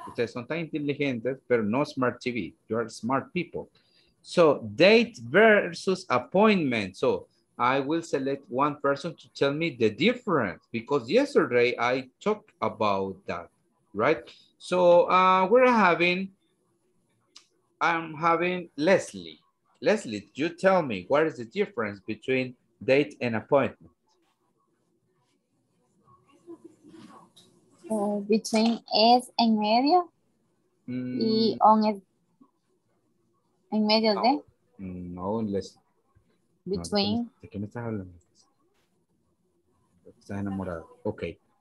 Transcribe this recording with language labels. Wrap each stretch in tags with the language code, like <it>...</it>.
<es>Ustedes son tan inteligentes, pero no smart TV.</es> <en>You are smart people. So, date versus appointment. So, I will select one person to tell me the difference, because yesterday I talked about that, right? So I'm having Leslie. Leslie, you tell me, what is the difference between date and appointment?</en> <es>Between es en medio y on el, en medio de. No, Leslie.</es> <en>Between.</en> <es>No, ¿de qué me estás hablando? Estás enamorado. Okay.</es>